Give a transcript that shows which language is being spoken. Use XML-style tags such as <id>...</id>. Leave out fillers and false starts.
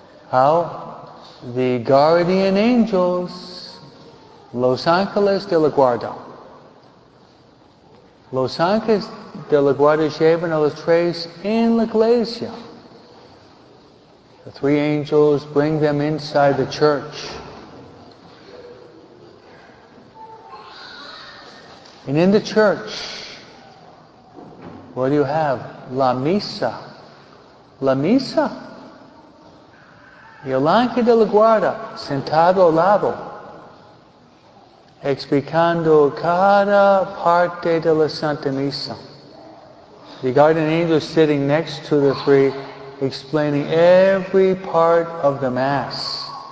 <en>How? The guardian angels,</en> <es>Los Ángeles de la Guarda. Los Ángeles de la Guarda llevan a los tres en la iglesia.</es> <en>The three angels bring them inside the church. And in the church, what do you have?</en> <es>La Misa. La Misa. Y el ángel de la Guarda, sentado al lado, explicando cada parte de la Santa Misa.</es> <en>The guardian angel sitting next to the three, explaining every part of the Mass.</en>